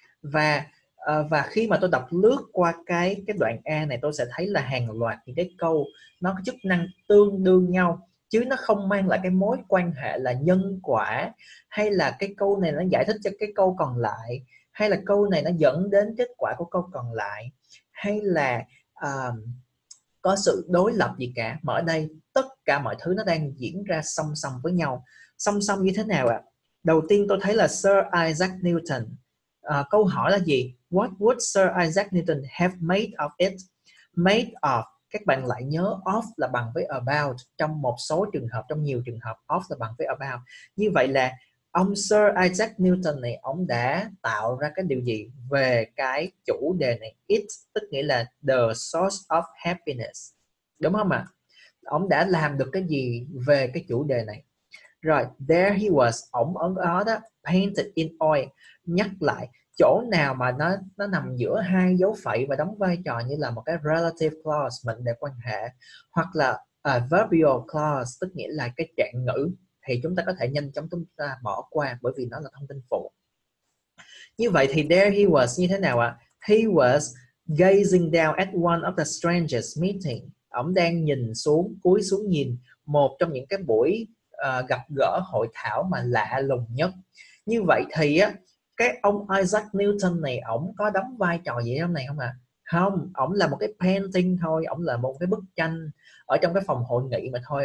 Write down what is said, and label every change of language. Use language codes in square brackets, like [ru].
[vi] Và khi mà tôi đọc lướt qua cái đoạn A này, tôi sẽ thấy là hàng loạt những cái câu nó có chức năng tương đương nhau, chứ nó không mang lại cái mối quan hệ là nhân quả, hay là cái câu này nó giải thích cho cái câu còn lại, hay là câu này nó dẫn đến kết quả của câu còn lại, hay là có sự đối lập gì cả. Mà ở đây tất cả mọi thứ nó đang diễn ra song song với nhau. Song song như thế nào ạ? Đầu tiên tôi thấy là Sir Isaac Newton. Câu hỏi là gì? [en] What would Sir Isaac Newton have made of it? Made of, [vi] các bạn lại nhớ of là bằng với about. Trong một số trường hợp, trong nhiều trường hợp, of là bằng với about. Như vậy là ông Sir Isaac Newton này, ông đã tạo ra cái điều gì về cái chủ đề này? [en] It [vi] tức nghĩa là [en] the source of happiness, [vi] đúng không ạ? Ông đã làm được cái gì về cái chủ đề này? [en] Rồi, there he was, [vi] ông ở đó, [en] painted in oil. [vi] Nhắc lại, chỗ nào mà nó nằm giữa hai dấu phẩy và đóng vai trò như là một cái relative clause, mệnh đề quan hệ, hoặc là verbal clause, tức nghĩa là cái trạng ngữ, thì chúng ta có thể nhanh chóng chúng ta bỏ qua bởi vì nó là thông tin phụ. Như vậy thì [en] there he was [vi] như thế nào ạ? [en] He was gazing down at one of the strangest meeting. [vi] Ông đang nhìn xuống, cúi xuống nhìn một trong những cái buổi gặp gỡ hội thảo mà lạ lùng nhất. Như vậy thì á, cái ông Isaac Newton này, ông có đóng vai trò gì trong này không ạ? Không, ông là một cái painting thôi, ông là một cái bức tranh ở trong cái phòng hội nghị mà thôi.